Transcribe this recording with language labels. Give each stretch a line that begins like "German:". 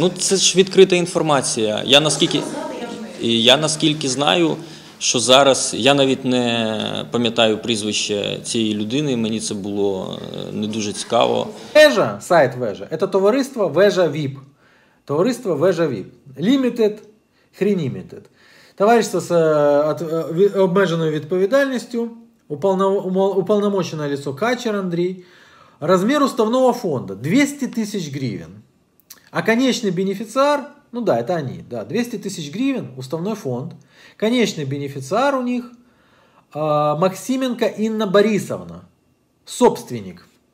Ukrainian: Ну, це ж відкрита інформація. Я наскільки знаю, що зараз я навіть не пам'ятаю прізвище цієї людини, мені це було не дуже цікаво. Вежа, сайт Вежа. Це товариство Вежа ВІП. Товариство Вежа ВІП. Limited, хренімітед. Товариство з обмеженою відповідальністю.
Russian: Уполномоченное лицо Качер Андрей. Размер уставного фонда 200 тысяч гривен. А конечный бенефициар, ну да, это они, да, 200 тысяч гривен, уставной фонд. Конечный бенефициар у них Максименко Инна Борисовна. Собственник.